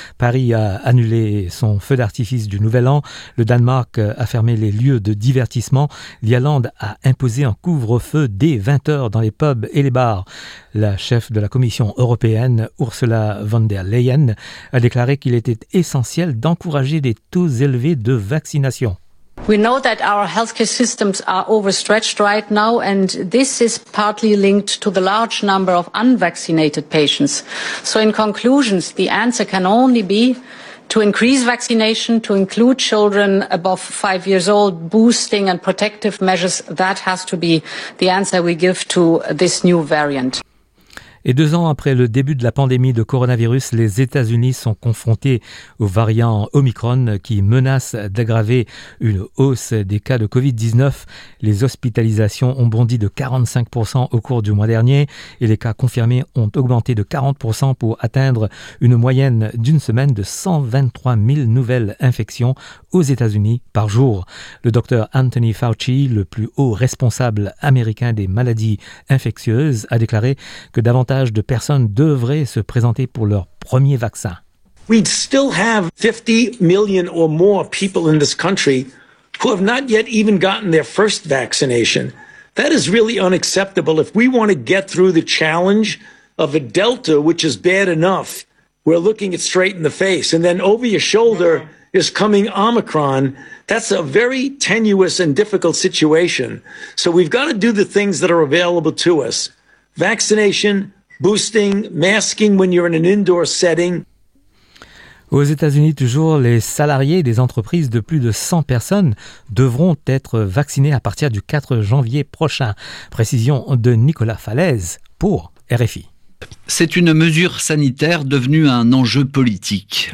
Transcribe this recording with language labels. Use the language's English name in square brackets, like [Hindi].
[French] Paris a annulé son feu d'artifice du Nouvel An. Le Danemark a fermé les lieux de divertissement. L'Irlande a imposé un couvre-feu dès 20h dans les pubs et les bars. La chef de la Commission européenne, Ursula von der Leyen, a déclaré qu'il était essentiel d'encourager des taux élevés de vaccination. [English] We know that our healthcare systems are overstretched right now, and this is partly linked to the large number of unvaccinated patients. So in conclusions, the answer can only be to increase vaccination, to include children above 5 years old, boosting and protective measures. That has to be the answer we give to this new variant. [French] Et 2 ans après le début de la pandémie de coronavirus, les États-Unis sont confrontés au variant Omicron qui menace d'aggraver une hausse des cas de Covid-19. Les hospitalisations ont bondi de 45% au cours du mois dernier et les cas confirmés ont augmenté de 40% pour atteindre une moyenne d'une semaine de 123 000 nouvelles infections aux États-Unis par jour. Le docteur Anthony Fauci, le plus haut responsable américain des maladies infectieuses, a déclaré que davantage de personnes devraient se présenter pour leur premier vaccin. [English] We'd still have 50 million or more people in this country who have not yet even gotten their first vaccination. That is really unacceptable. If we want to get through the challenge of a Delta, which is bad enough, we're looking it straight in the face. And then over your shoulder is coming Omicron. That's a very tenuous and difficult situation. So we've got to do the things that are available to us. Vaccination, boosting, masking when you're in an indoor setting. [French] Aux États-Unis, toujours, les salariés des entreprises de plus de 100 personnes devront être vaccinés à partir du 4 janvier prochain. Précision de Nicolas Falaise pour RFI. C'est une mesure sanitaire devenue un enjeu politique.